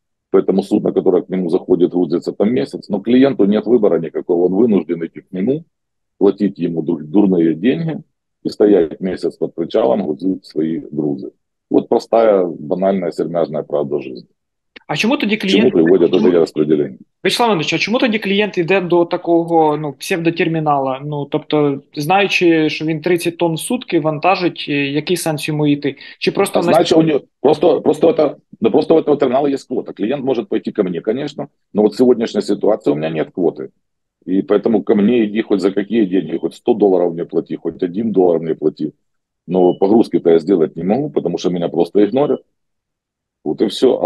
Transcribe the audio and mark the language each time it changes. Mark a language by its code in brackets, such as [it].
[ru] Поэтому судно, которое к нему заходит, грузится там месяц, но клиенту нет выбора никакого, он вынужден идти к нему, платить ему дурные деньги и стоять месяц под причалом, грузить свои грузы. Вот простая, банальная, сермяжная правда жизни. [uk] А чему тоді [ru] К чему [uk] клієнт, [ru] приводят вот эти распределения? [uk] Вячеслав Іванович, а чому тоді клієнт йде до такого, ну, псевдотермінала? Ну, тобто, знаючи, що він 30 тонн в сутки вантажить, який сенс йому йти? Чи [ru] А просто на значит, у него просто это, ну, просто у этого терминала есть квота. Клиент может пойти ко мне, конечно, но вот в сегодняшней ситуации у меня нет квоты. И поэтому ко мне иди хоть за какие деньги, хоть 100 долларов мне плати, хоть 1 доллар мне плати. Но погрузки-то я сделать не могу, потому что меня просто игнорят. Вот и все.